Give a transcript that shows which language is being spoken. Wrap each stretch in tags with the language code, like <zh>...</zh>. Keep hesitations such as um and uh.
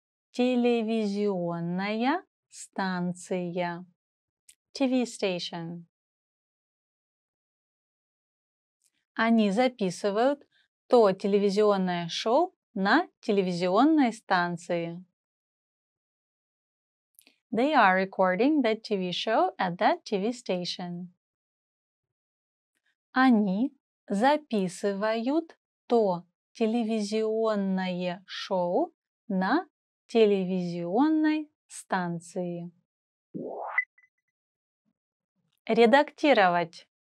<ru>Телевизионная станция.</ru> <en>TV station.</en> <ru>они записывают то телевизионное шоу на телевизионной станции.</ru> <en>They are recording that TV show at that TV station.</en> <ru>Они записывают то телевизионное шоу на телевизионной станции. Редактировать.</ru>